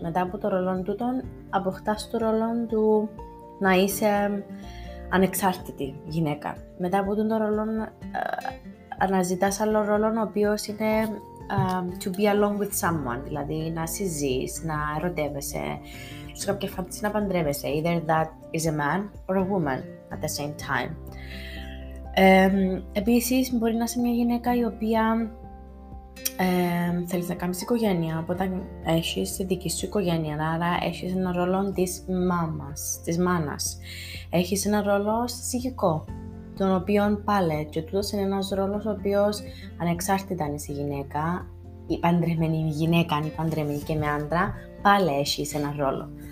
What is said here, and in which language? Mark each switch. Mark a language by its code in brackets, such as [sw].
[el] Μετά από το ρόλο τούτον, αποκτάς το ρόλο του να είσαι ανεξάρτητη γυναίκα. Μετά από τον ρόλο, αναζητάς άλλο ρόλο, ο οποίος είναι [en] to be along with someone, [el] δηλαδή να συζείς, να ερωτεύεσαι, σε κάποια φάση να παντρεύεσαι. [en] Either that is a man or a woman at the same time. [el] Επίσης, μπορεί να είσαι μια γυναίκα η οποία θέλεις να κάνεις οικογένεια, οπότε έχεις τη δική σου οικογένεια, άρα έχεις ένα ρόλο της μάμας, της μάνας. Έχεις ένα ρόλο συζυγικό, τον οποίο πάλι, και τούτος είναι ένας ρόλος ο οποίος ανεξάρτητα αν είσαι γυναίκα, η παντρεμένη γυναίκα, αν είναι παντρεμένη και με άντρα, πάλι έχεις ένα ρόλο.